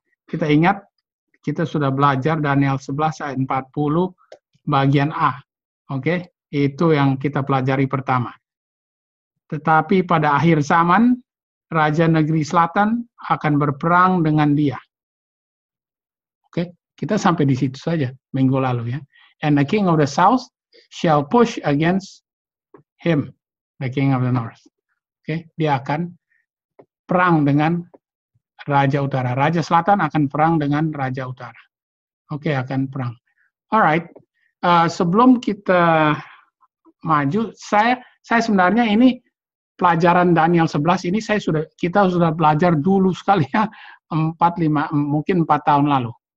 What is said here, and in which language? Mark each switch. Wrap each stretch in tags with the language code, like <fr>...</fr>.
<id>Kita ingat, kita sudah belajar Daniel 11 ayat 40 bagian A. Oke, itu yang kita pelajari pertama. Tetapi pada akhir zaman, Raja Negeri Selatan akan berperang dengan dia. Oke, kita sampai di situ saja minggu lalu ya.</id> <en>And the King of the South shall push against him, the King of the North.</en> <id>Oke, dia akan perang dengan Raja Utara. Raja Selatan akan perang dengan Raja Utara. Oke, akan perang. Alright. Sebelum kita maju, saya sebenarnya ini pelajaran Daniel 11 ini kita sudah belajar dulu sekali ya, 4 tahun lalu.</id>